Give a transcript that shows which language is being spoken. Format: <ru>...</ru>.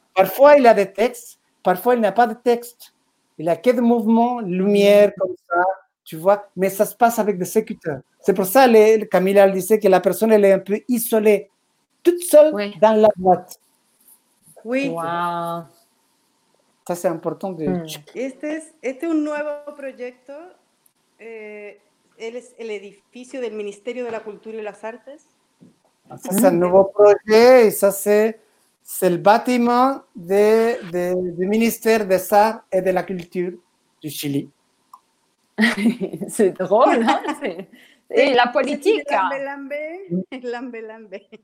<fr>Parfois, il a des textes, parfois, il n'a pas de texte. Il n'a que des mouvements, lumière, comme ça. Tu vois, mais ça se passe avec des écouteurs. C'est pour ça que Camila disait que la personne elle est un peu isolée, toute seule dans la boîte. Oui. Wow. Ça, c'est important. De...</fr> <es>Este es un nuevo proyecto. Él es el edificio del Ministerio de la Cultura y las Artes.</es> <fr>Ça, c'est un nouveau projet. Et ça, c'est le bâtiment du ministère des Arts et de la Culture du Chili. C'est drôle, hein? C'est... Et la politique. Lambe-lambe.</fr>